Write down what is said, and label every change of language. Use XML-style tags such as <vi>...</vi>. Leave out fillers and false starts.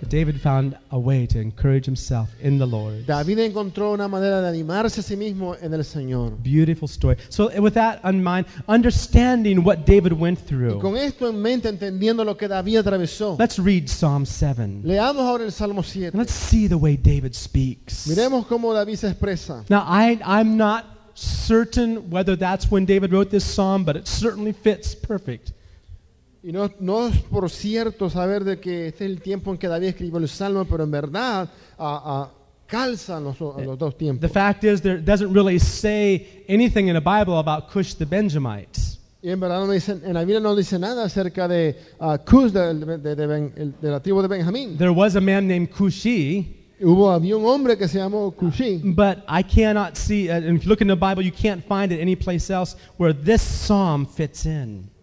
<en>But David found a way to encourage himself in the Lord.</en> <es>David encontró una manera de animarse a sí mismo en el Señor.</es> <en>Beautiful story. So with that in mind, understanding what David went through.</en> <es>Y con esto en mente, entendiendo lo que David atravesó.</es> <en>Let's read Psalm 7.</en> <es>Leamos ahora el Salmo 7.</es> <en>And let's see the way David speaks.</en> <es>Miremos cómo David se expresa.</es> <en>Now, I'm not certain whether that's when David wrote this psalm, but it certainly fits perfect.</en> <es>Y no es por cierto saber de que este es el tiempo en que David escribió el Salmo, pero en verdad calza los dos tiempos.</es> <en>The fact is, there doesn't really say anything in the Bible about Cush the Benjamite.</en> <es>Y en verdad, en la Biblia no dice nada acerca de Cush, de la tribu de Benjamín.</es> <en>There was a man named Cushi.</en> <es>Había un hombre que se llamó Cushi.</es> <en>But I cannot see, and if you look in the Bible, you can't find it any place else where this psalm fits in.</en>